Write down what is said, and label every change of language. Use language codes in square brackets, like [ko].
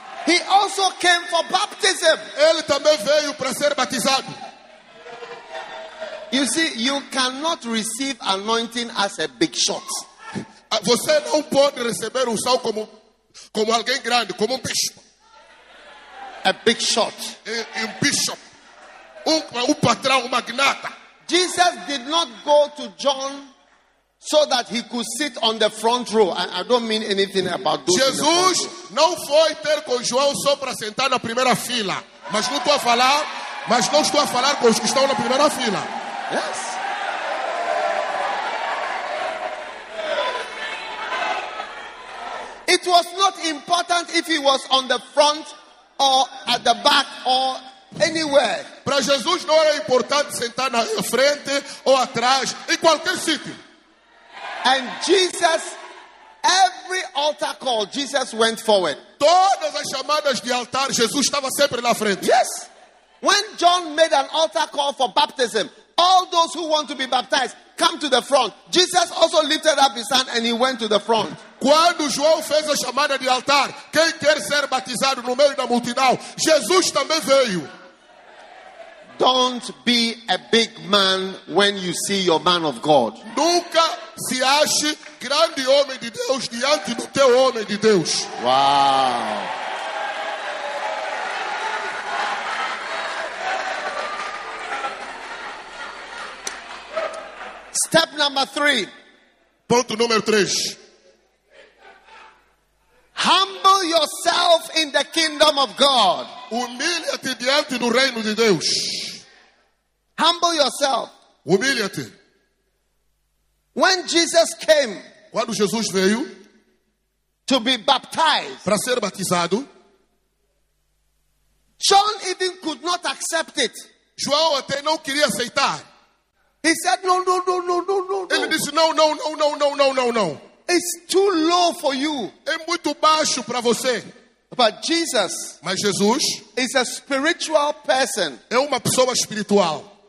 [en] He also came for baptism. [pt] Ele também veio para ser batizado. [en] You see, you cannot receive anointing as a big shot. [pt] Você não pode receber o sal como alguém grande, como um bispo. [en] A big shot. [pt] Um bispo. Um patrão, um magnata. [en] Jesus did not go to John so that he could sit on the front row. I don't mean anything about those. [pt] Jesus não foi ter com João só para sentar na primeira fila. Mas não estou a falar com os que estão na primeira fila. [en] Yes. It was not important if he was on the front or at the back or anywhere. [pt] Para Jesus não era importante sentar na frente ou atrás, em qualquer sítio. [en] And Jesus, every altar call, Jesus went forward. [pt] Todas as chamadas de altar, Jesus estava sempre na frente. [en] Yes. When John made an altar call for baptism, all those who want to be baptized, come to the front. Jesus also lifted up his hand and he went to the front. [pt] Quando João fez a chamada de altar, quem quer ser batizado no meio da multidão, Jesus também veio. [en] Don't be a big man when you see your man of God. [pt] Nunca se ache grande homem de Deus diante do teu homem de Deus. Wow. [en] Step number three. [pt] Ponto número três. [en] Humble yourself in the kingdom of God. [pt] Humilha-te diante do reino de Deus. [en] Humble yourself. [pt] Humilha-te. [en] When Jesus came, [pt] quando Jesus veio, [en] to be baptized, [pt] para ser batizado, [en] John even could not accept it. [pt] João até não queria aceitar. [en] He said, no, no, no, no, no, no. [pt] Ele disse, não, não, não, não, não, não, não, não. [en] It's too low for you. [pt] É muito baixo para você. [en] But Jesus, [pt] mas Jesus, [en] is a spiritual person. [pt] É uma pessoa espiritual.